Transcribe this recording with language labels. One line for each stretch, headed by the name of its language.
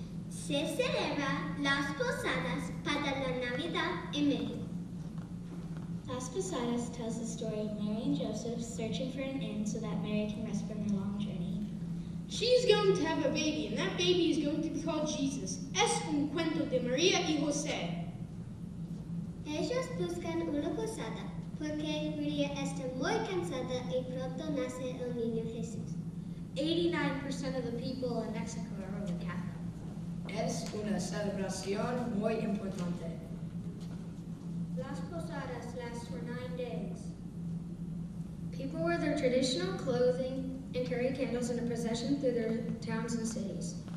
Spanish: Se celebra las posadas para la Navidad en México.
English: Las Posadas tells the story of Mary and Joseph searching for an inn so that Mary can rest from her long journey. She's going to have a baby, and that baby is going to be called Jesus.
Spanish: Es un cuento de María y José. Ellos buscan una posada porque María está muy cansada y pronto nace el niño Jesús.
English: 89% of the people in Mexico are Roman Catholic.
Spanish: Es una celebración muy importante.
English: Las posadas last for 9 days. People wear their traditional clothing and carry candles in a procession through their towns and cities.